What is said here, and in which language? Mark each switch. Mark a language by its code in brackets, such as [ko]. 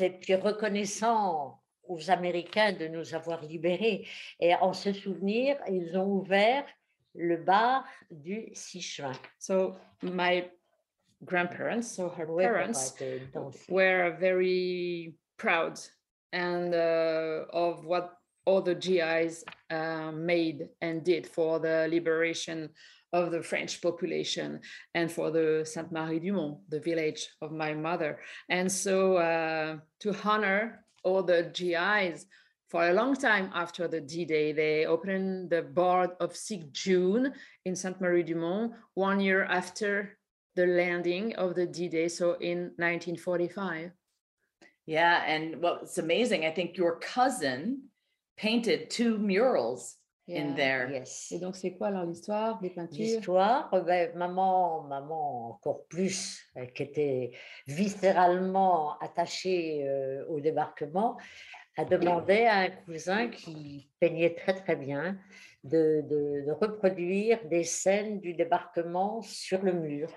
[fr] et puis reconnaissant aux Américains de nous avoir libérés. Et en ce souvenir, ils ont ouvert le bar du 6 juin. [en] So, my grandparents, so her parents, were very proud and of what all the GIs made and did for the liberation of the French population and for the Sainte-Marie-du-Mont, the village of my mother. And so to honor all the GIs, for a long time after the D-Day, they opened the bar of 6 June in Sainte-Marie-du-Mont, 1 year after the landing of the D-Day, so in 1945. Yeah, and what's amazing, I think your cousin painted 2 murals in there. Yes. [fr] Et donc c'est quoi alors l'histoire des peintures? L'histoire, ben, maman encore plus, qui était viscéralement attachée au débarquement, a demandé à un cousin qui peignait très très bien de reproduire des scènes du débarquement sur le mur.